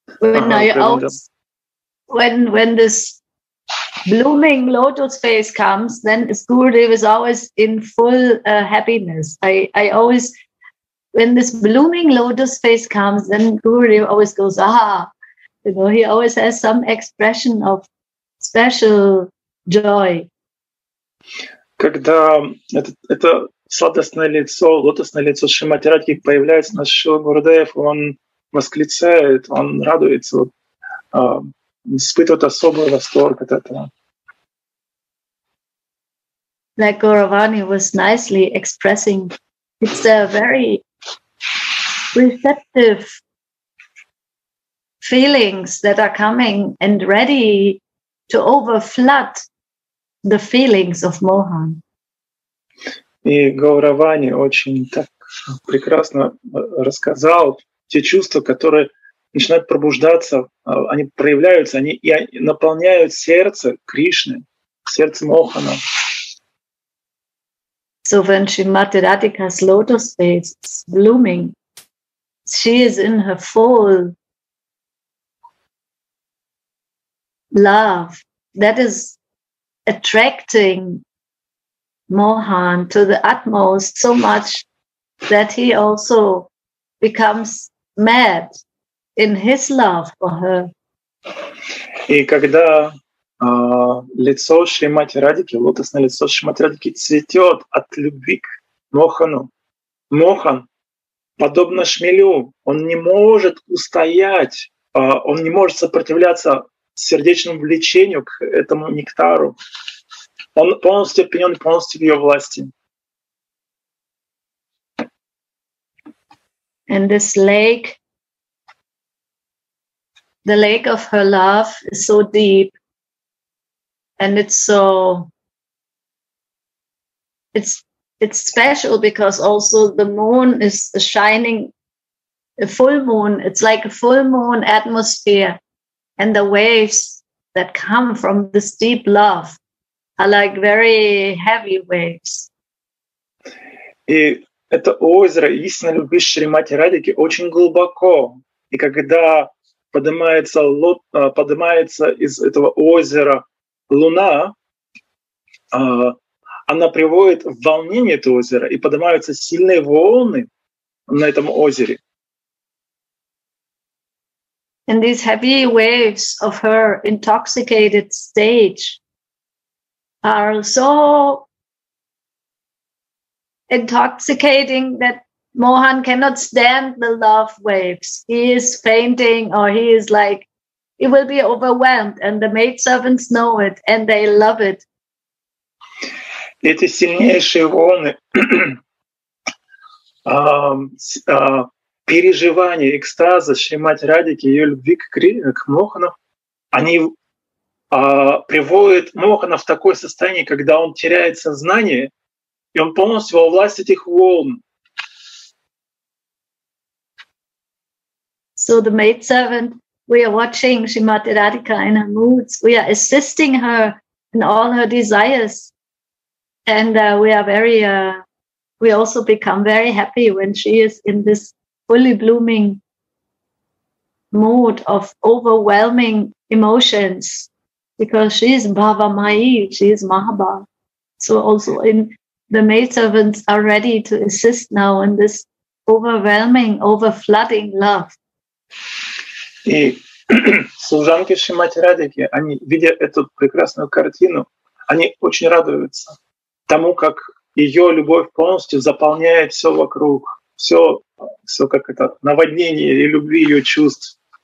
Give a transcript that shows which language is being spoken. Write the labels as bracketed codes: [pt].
[en] when when this blooming lotus phase comes, then Gurudev is always in full happiness. I always, when this blooming lotus phase comes, then Gurudev always goes, aha. You know, he always has some expression of special joy. [ru] Когда это сладостное лицо, лотосное лицо Шримати Радхи появляется на Шрила Гурудев, он восклицает, он радуется, испытывает особый восторг от этого. [en] Like Gauravani was nicely expressing, it's a very receptive feelings that are coming and ready to overflood the feelings of Mohan. [ru] И Гауравани очень так прекрасно рассказал те чувства, которые начинают пробуждаться, они проявляются, они и наполняют сердце Кришны, сердце Мохана. [en] So when Shrimati Radhika's lotus phase is blooming, she is in her full love that is attracting Mohan to the utmost so much that he also becomes mad in his love for her. [ru] И когда лицо Шримати Радхики, лотосное лицо Шримати Радхики цветет от любви к Мохану, Мохан, подобно шмелю, он не может устоять, он не может сопротивляться сердечному влечению к этому нектару. Он полностью опьянён, полностью в её власти. [en] And this lake, the lake of her love is so deep, and it's special because also the moon is shining, a full moon, it's like a full moon atmosphere. And the waves that come from this deep love are like very heavy waves. [ru] И это озеро истинной любви Шримати Радхики очень глубоко. И когда поднимается из этого озера луна, она приводит в волнение это озеро, и поднимаются сильные волны на этом озере. [en] And these heavy waves of her intoxicated stage are so intoxicating that Mohan cannot stand the love waves. He is fainting, or he is like, he will be overwhelmed, and the maidservants know it, and they love it. [ru] Эти сильнейшие волны переживания, экстаза Шримати Радхики, ее любви к Мохану, они приводят Мохана в такое состояние, когда он теряет сознание, и он полностью во власть этих волн. [en] So the maidservant, we are watching Shrimati Radhika in her moods, we are assisting her in all her desires, and we also become very happy when she is in this fully blooming mood of overwhelming emotions, because she is Bhava Mayi, she is Mahaba. So also in the maidservants are ready to assist now in this overwhelming, overflooding love. [ru] И служанки Шримати Радхики, они, видя эту прекрасную картину, они очень радуются тому, как ее любовь полностью заполняет все вокруг. Все как это наводнение и любви ее чувств.